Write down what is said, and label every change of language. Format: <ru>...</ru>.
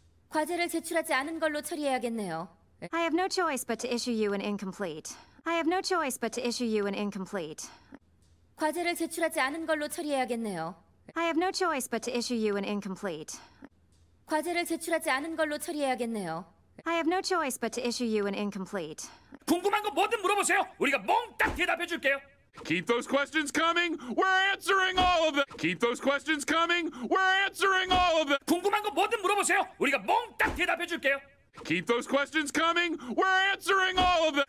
<ko>과제를 제출하지 않은 걸로 처리해야겠네요.</ko> <en>I have no choice but to issue you an incomplete. I have no choice but to issue you an incomplete.</en> <ko>과제를 제출하지 않은 걸로 처리해야겠네요.</ko> <en>I have no choice but to issue you an incomplete.</en> <ko>과제를 제출하지 않은 걸로 처리해야겠네요.</ko> <en>I have no choice but to issue you an incomplete.</en> <ko>궁금한 거 뭐든 물어보세요. 우리가 몽땅 대답해 줄게요.</ko> <en>Keep those questions coming. We're answering all of them. Keep those questions coming. We're answering all of them.</en> <ko>궁금한 거 뭐든 물어보세요. 우리가 몽땅 대답해 줄게요.</ko> <en>Keep those questions coming. We're answering all of them.</en>